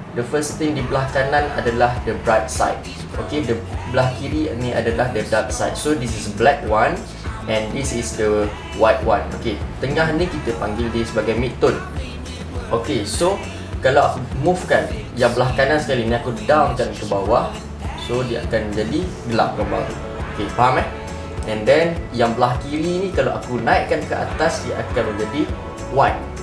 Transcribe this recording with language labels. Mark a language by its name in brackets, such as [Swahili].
[English] The first thing [Malay] di belah kanan adalah [English] the bright side. Okay, the [Malay] belah kiri ni adalah [English] the dark side. So this is black one and this is the white one. [Malay] Okay, tengah ni kita panggil dia sebagai mid-tone. Okay, so kalau move kan yang belah kanan sekali ni, aku down kan ke bawah, so dia akan jadi gelap gambar tu. Okay, faham eh? And then yang belah kiri ni kalau aku naikkan ke atas, dia akan menjadi white.